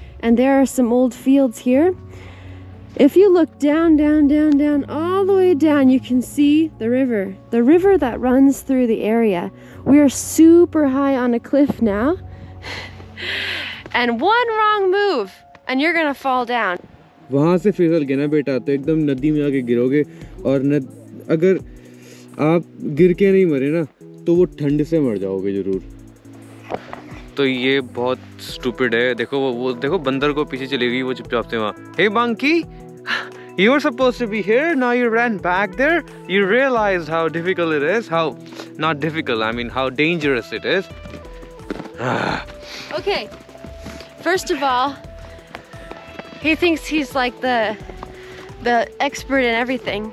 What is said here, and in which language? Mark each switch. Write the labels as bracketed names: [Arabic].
[English] And there are some old fields here. If you look down, down, down, down, all the way down, you can see the river that runs through the area. We are super high on a cliff now. And one wrong move, and you're gonna fall down. [Hindi] वहाँ से फिसल गया ना बेटा, तो एकदम नदी में आके गिरोगे और अगर आप गिर के नहीं मरे ना, तो वो ठंड से मर जाओगे जरूर. तो ये बहुत stupid है. देखो वो देखो बंदर को पीछे चली गई वो चुपचाप से वहाँ. [English] Hey monkey. You were supposed to be here, now you ran back there. You realized how difficult it is. How, not difficult, I mean how dangerous it is. Okay, first of all, he thinks he's like the expert in everything.